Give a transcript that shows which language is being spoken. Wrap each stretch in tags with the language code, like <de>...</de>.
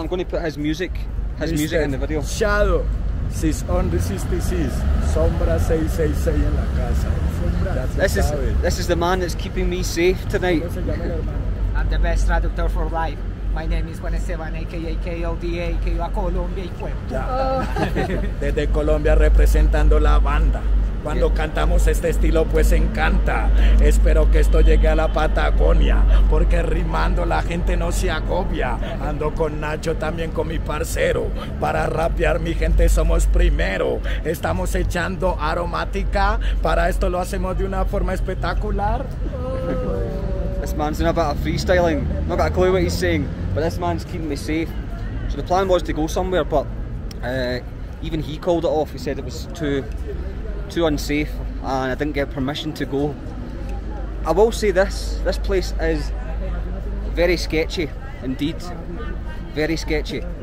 <en>I'm going to put his music in the video. Shadow, sis on the 66.</en> <es>Sombra 666 en la casa.</es> <en>This is the man that's keeping me safe tonight. I'm the best traductor for life. My name is Juan Esteban, a.k.a.</en> <es>K.O.D.A., que iba a Colombia y fue. Desde Colombia representando la banda. Cuando cantamos este estilo, pues encanta. Espero que esto llegue a la Patagonia, porque rimando la gente no se agobia. Ando con Nacho, también con mi parcero. Para rapear, mi gente, somos primero. Estamos echando aromática. Para esto lo hacemos de una forma espectacular.</es> <en>This man's in a bit of freestyling. Not got a clue what he's saying, but this man's keeping me safe. So the plan was to go somewhere, but even he called it off. He said it was too unsafe and I didn't get permission to go. I will say this place is very sketchy indeed. Very sketchy.</en>